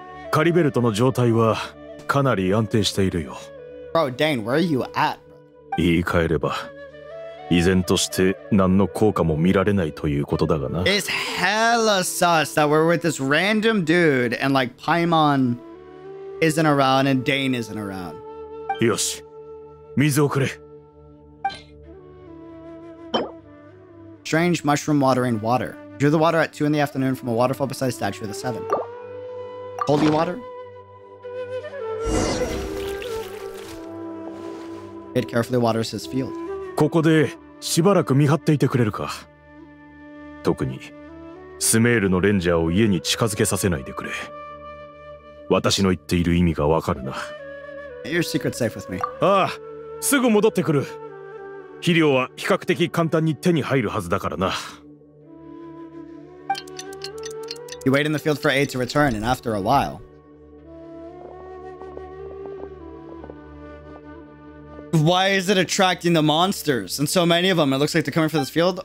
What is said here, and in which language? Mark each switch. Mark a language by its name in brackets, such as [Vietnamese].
[Japanese] カリベルトの状態はかなり安定しているよ。 [English] Bro, Dane, where are you at? [Japanese] 言い換えれば、依然として何の効果も見られないということだがな。 [English] It's hella sus that we're with this random dude and like Paimon isn't around and Dane isn't around. [Japanese] よし、水をくれ。 [English] Strange mushroom watering water. Drew the water at 2 in the afternoon from a waterfall beside Statue of the Seven. Holy water? It carefully waters his field. [Japanese] ここでしばらく見張っていてくれるか。特にスメールのレンジャーを家に近づけさせないでくれ。私の言っている意味がわかるな。 [English] Your secret's safe with me. [Japanese] ああ、すぐ戻ってくる。肥料は比較的簡単に手に入るはずだからな。 [English] You wait in the field for A to return, and after a while. Why is it attracting the monsters? And so many of them, it looks like they're coming for this field?